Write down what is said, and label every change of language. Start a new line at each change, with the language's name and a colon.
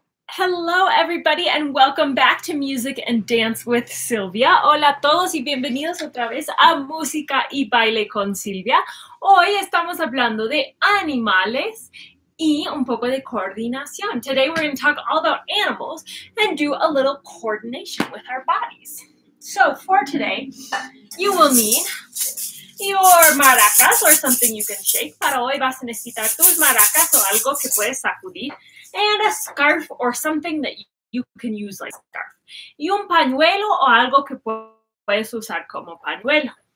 English: Hello, everybody, and welcome back to Music and Dance with Sylvia.
Spanish: Hola a todos y bienvenidos otra vez a Música y Baile con Sylvia. Hoy estamos hablando de animales y un poco de coordinación.
English: Today we're going to talk all about animals and do a little coordination with our bodies. So for today, you will need your maracas or something you can shake.
Spanish: Para hoy vas a necesitar tus maracas o algo que puedes sacudir.
English: And a scarf or something that you can use like a scarf.
Spanish: Y un pañuelo o algo que puedes usar como pañuelo.